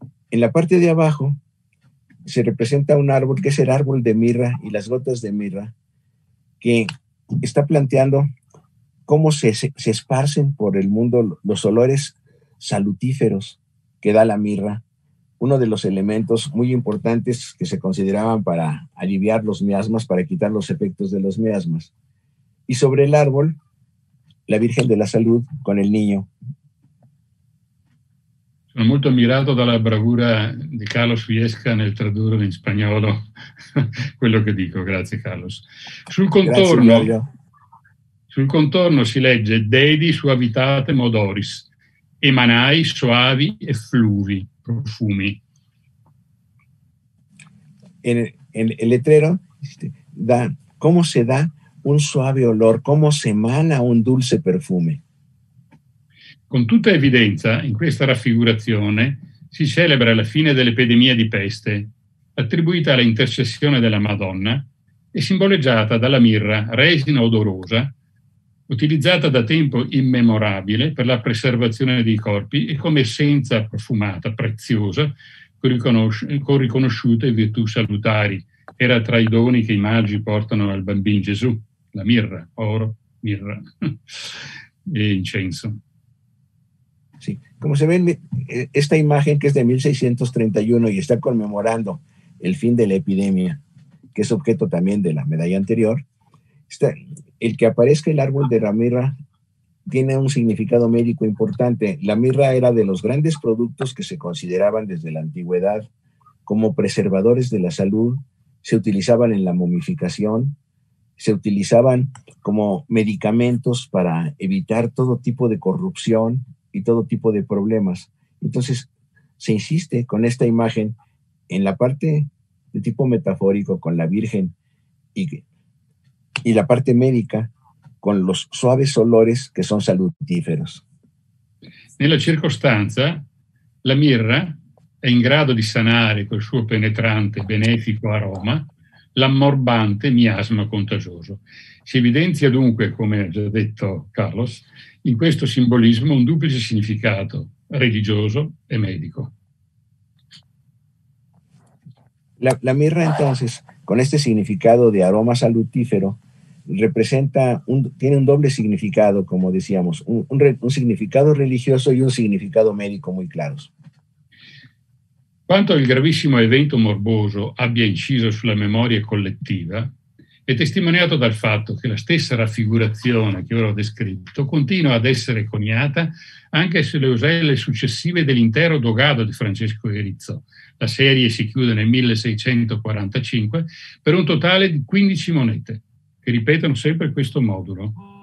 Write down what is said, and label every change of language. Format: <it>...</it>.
<es>En la parte de abajo se representa un árbol, que es el árbol de mirra y las gotas de mirra, que está planteando cómo se esparcen por el mundo los olores salutíferos que da la mirra, uno de los elementos muy importantes que se consideraban para aliviar los miasmas, para quitar los efectos de los miasmas. Y sobre el árbol, la Virgen de la Salud con el niño.</es> <it>Sono molto ammirato dalla bravura di Carlos Viesca nel tradurre in spagnolo quello che dico. Grazie, Carlos. Sul contorno si legge</it> <la>Dedi suavitate modoris,</la> <it>emanai soavi effluvi. Profumi.</it> <es>En el letrero da cómo se da un suave olor, cómo se emana un dulce perfume.</es> <it>Con tutta evidenza, in questa raffigurazione si celebra la fine dell'epidemia di peste, attribuita alla intercessione della Madonna e simboleggiata dalla mirra, resina odorosa, utilizzata da tempo immemorabile per la preservazione dei corpi e come essenza profumata, preziosa, con riconosciute virtù salutari. Era tra i doni che i magi portano al bambino Gesù, la mirra, oro, mirra e incenso. Sì, come si vede, questa immagine che è del 1631 e sta commemorando il fin dell'epidemia, che è soggetto anche della medaglia anteriore, sta...</it> <es>El que aparezca el árbol de la mirra tiene un significado médico importante. La mirra era de los grandes productos que se consideraban desde la antigüedad como preservadores de la salud. Se utilizaban en la momificación, se utilizaban como medicamentos para evitar todo tipo de corrupción y todo tipo de problemas. Entonces, se insiste con esta imagen en la parte de tipo metafórico con la Virgen y la parte médica con los suaves olores que son salutíferos.</es> <it>Nella circostanza, la mirra è in grado di sanare col suo penetrante benefico aroma l'ammorbante miasma contagioso. Si evidenzia dunque, come ha già detto Carlos, in questo simbolismo un duplice significato religioso e medico.</it> <es>La mirra, entonces, con este significado de aroma salutífero, representa, tiene un doble significado, como decíamos, un significado religioso y un significado médico muy claros.</es> <it>Quanto il gravissimo evento morboso abbia inciso sulla memoria collettiva è testimoniato dal fatto che la stessa raffigurazione che ora ho descritto continua ad essere coniata anche sulle oselle successive dell'intero dogado di Francesco Erizzo. La serie si chiude nel 1645 per un totale di 15 monete.</it> <es>Repiten siempre este módulo.</es>